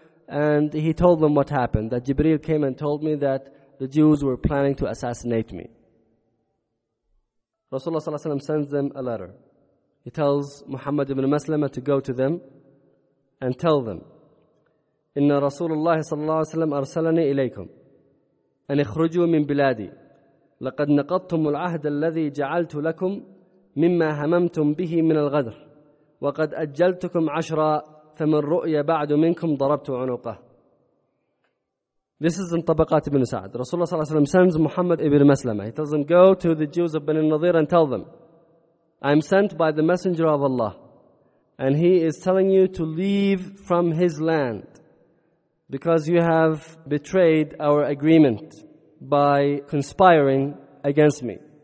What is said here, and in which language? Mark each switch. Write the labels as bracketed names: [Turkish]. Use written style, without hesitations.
[English] And he told them what happened. That Jibreel came and told me that the Jews were planning to assassinate me. Rasulullah sallallahu alayhi wa sallam sends them a letter. He tells Muhammad ibn Maslama to go to them and tell them, [Arabic] Inna Rasulullah sallallahu alayhi wa sallam arsalani ilaykum. أن اخرجوا من بلادي لقد نقضتم العهد الذي جعلت لكم مما هممتم به من الغدر وقد أجلتكم عشرة فمن رؤيا بعد منكم ضربت عنقه. [English] This is in طبقات ابن سعد. Rasulullah صلى الله عليه وسلم sends Muhammad ibn Maslama. He tells him, go to the Jews of Bani Nadir and tell them, I'm sent by the Messenger of Allah, and he is telling you to leave from his land, because you have betrayed our agreement by conspiring against me.